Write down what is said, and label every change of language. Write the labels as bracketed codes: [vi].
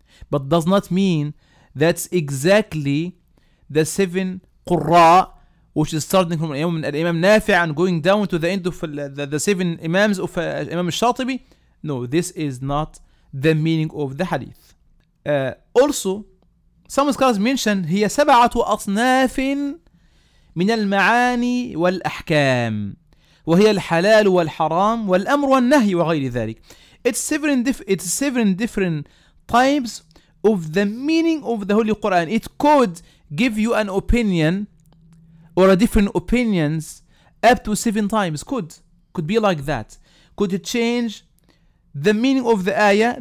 [en] But does not mean that's exactly the seven Qurra, which is starting from Imam Nafi and going down to the end of the seven Imams of Imam al-Shatibi. No, this is not the meaning of the hadith. Also, some scholars mention [ar] هي سبعة أصناف من المعاني والأحكام وهي الحلال والحرام والأمر والنهي وغير ذلك. [en] It's seven different types of the meaning of the Holy Quran. It could give you an opinion or a different opinions up to 7 times. Could be like that. Could it change the meaning of the ayah?